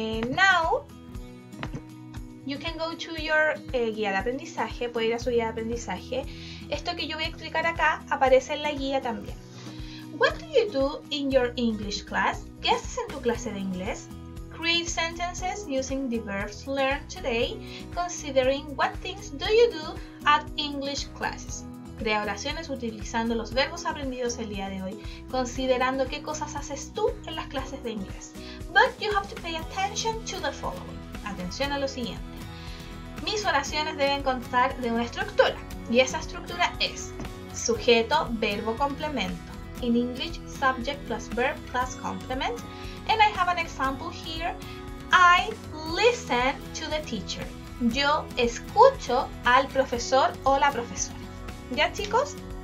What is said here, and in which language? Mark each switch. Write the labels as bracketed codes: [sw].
[en] Now, you can go to your [es] guía de aprendizaje, puede ir a su guía de aprendizaje. Esto que yo voy a explicar acá aparece en la guía también. [en] What do you do in your English class? [es] ¿Qué haces en tu clase de inglés? [en] Create sentences using the verbs learned today, considering what things do you do at English classes. [es] Crea oraciones utilizando los verbos aprendidos el día de hoy, considerando qué cosas haces tú en las clases de inglés. [en] But you have to pay attention to the following. [es] Atención a lo siguiente. Mis oraciones deben constar de una estructura, y esa estructura es sujeto, verbo, complemento. [en] In English, subject plus verb plus complement. And I have an example here. I listen to the teacher. [es] Yo escucho al profesor o la profesora. ¿Ya, chicos?